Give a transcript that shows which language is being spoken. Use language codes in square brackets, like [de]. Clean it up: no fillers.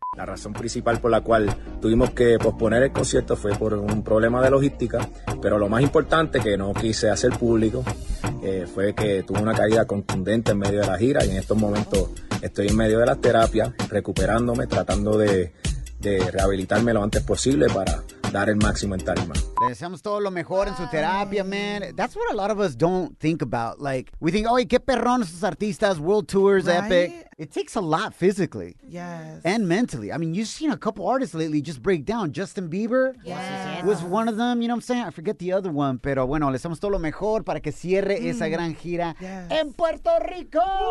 [es] La razón principal por la cual tuvimos que posponer el concierto fue por un problema de logística, pero lo más importante que no quise hacer público fue que tuve una caída contundente en medio de la gira y en estos momentos estoy en medio de las terapias, recuperándome, tratando de rehabilitarme lo antes posible para dar el máximo en tarima. Le deseamos todo lo mejor en su terapia, man. [en] That's what a lot of us don't think about. Like, we think, oh, [es] qué perrón esos artistas, [en] world tours, right? Epic. It takes a lot physically. Yes. And mentally. I mean, you've seen a couple artists lately just break down. Justin Bieber was one of them. You know what I'm saying? I forget the other one. [es] Pero bueno, le deseamos todo lo mejor para que cierre esa gran gira en Puerto Rico.